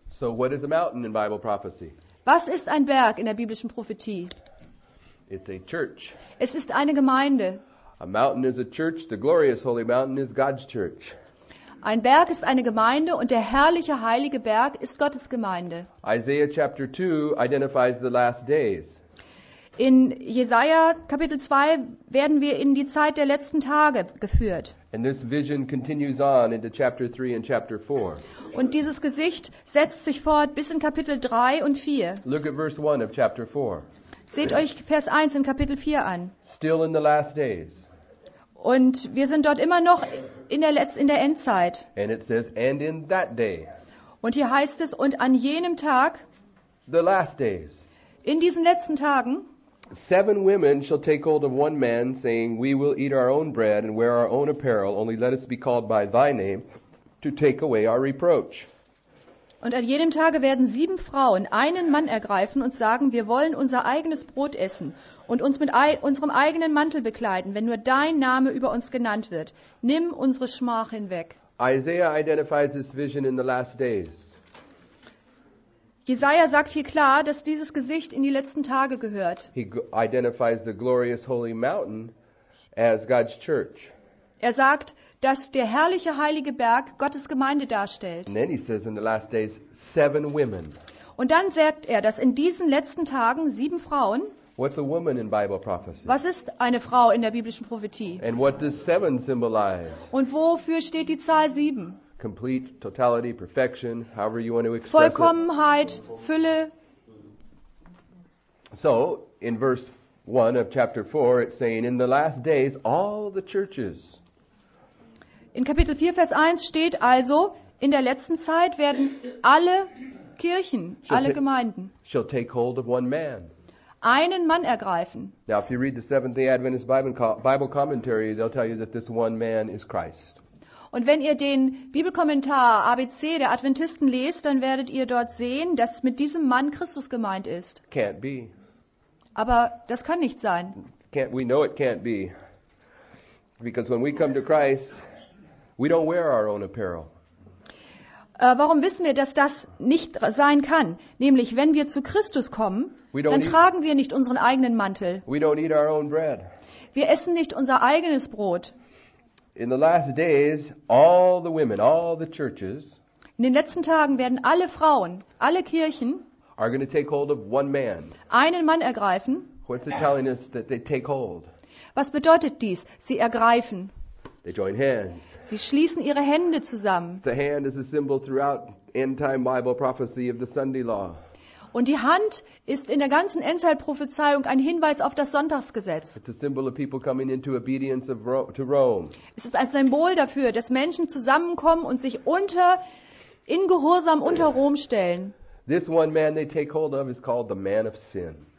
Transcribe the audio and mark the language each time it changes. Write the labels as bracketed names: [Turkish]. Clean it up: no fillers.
[English] So what is a mountain in Bible prophecy? [German] Was ist ein Berg in der biblischen Prophetie? [English] It's a church. [German] Es ist eine Gemeinde. [English] A mountain is a church. The glorious holy mountain is God's church. [German] Ein Berg ist eine Gemeinde und der herrliche heilige Berg ist Gottes Gemeinde. [English] Isaiah chapter 2 identifies the last days. [German] In Jesaja Kapitel 2 werden wir in die Zeit der letzten Tage geführt. [English] And this vision continues on into chapter 3 and chapter 4. [German] Und dieses Gesicht setzt sich fort bis in Kapitel 3 und 4. [English] Look at verse 1 of chapter 4. [German] Seht euch Vers 1 in Kapitel 4 an. [English] Still in the last days. [German] Und wir sind dort immer noch in der Endzeit. [English] And it says, and in that day. [German] Und hier heißt es, und an jenem Tag, [English] the last days. [German] In diesen letzten Tagen, [English] 7 women shall take hold of one man, saying, we will eat our own bread and wear our own apparel, only let us be called by thy name to take away our reproach. [German] Und an jedem Tage werden 7 Frauen einen Mann ergreifen und sagen, wir wollen unser eigenes Brot essen und uns mit unserem eigenen Mantel bekleiden, wenn nur dein Name über uns genannt wird. Nimm unsere Schmach hinweg. [English] Isaiah identifies this vision in the last days. [German] Jesaja sagt hier klar, dass dieses Gesicht in die letzten Tage gehört. [English] He identifies the glorious holy mountain as God's church. [German] Er sagt, dass der herrliche heilige Berg Gottes Gemeinde darstellt. [English] And then he says in the last days, 7 women. [German] Und dann sagt er, dass in diesen letzten Tagen 7 Frauen. [English] What's a woman in Bible prophecy? [German] Was ist eine Frau in der biblischen Prophetie? [English] And what does 7 symbolize? [German] Und wofür steht die Zahl 7? [English] Complete, totality, perfection, however you want to express [German] Vollkommenheit, [English] it. [German] Fülle. [English] So, in verse 1 of chapter 4, it's saying, in the last days, all the churches. [German] In Kapitel 4, Vers 1 steht also, in der letzten Zeit werden alle Kirchen, alle Gemeinden, [English] shall take hold of one man. [German] Einen Mann ergreifen. [English] Now, if you read the Seventh-day Adventist Bible commentary, they'll tell you that this one man is Christ. [German] Und wenn ihr den Bibelkommentar ABC der Adventisten lest, dann werdet ihr dort sehen, dass mit diesem Mann Christus gemeint ist. [English] Can't be. [German] Aber das kann nicht sein. [English] Can't, we know it can't be. Because when we come to Christ, we don't wear our own apparel. [German] Warum wissen wir, dass das nicht sein kann? Nämlich, wenn wir zu Christus kommen, dann tragen wir nicht unseren eigenen Mantel. [English] We don't eat our own bread. [German] Wir essen nicht unser eigenes Brot. [English] In the last days, all the women, all the churches, [German] in den letzten Tagen werden alle Frauen, alle Kirchen, [English] are going to take hold of one man. [German] Einen Mann ergreifen. [English] What's it telling us that they take hold? [German] Was bedeutet dies? Sie ergreifen. [English] They join hands. [German] Sie schließen ihre Hände zusammen. [English] The hand is a symbol throughout end-time Bible prophecy of the Sunday law. [German] Und die Hand ist in der ganzen Endzeitprophezeiung ein Hinweis auf das Sonntagsgesetz. [English] It's a symbol of people coming into obedience of to Rome. [German] Es ist ein Symbol dafür, dass Menschen zusammenkommen und sich in Gehorsam unter Rom stellen. [English] This one man they take hold of is called the man of sin.